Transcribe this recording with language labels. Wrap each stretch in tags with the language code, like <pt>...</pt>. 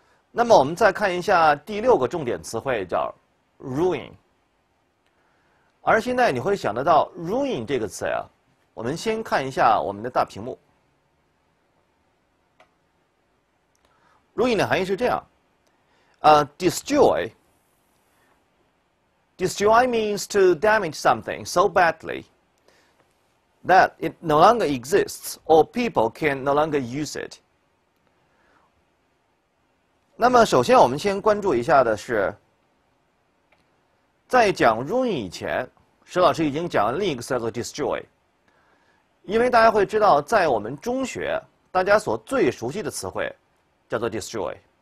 <zh>那么我们再看一下第六个重点词汇叫 ruin。而现在你会想得到 ruin 这个词呀，我们先看一下我们的大屏幕。 ruin 的含义是这样，</zh> <en>destroy means to damage something so badly。 That it no longer exists, or people can no longer use it.</en> <zh>那么，首先我们先关注一下的是，在讲 ruin 以前，石老师已经讲了另一个词叫做 destroy。因为大家会知道，在我们中学，大家所最熟悉的词汇叫做 destroy。</zh>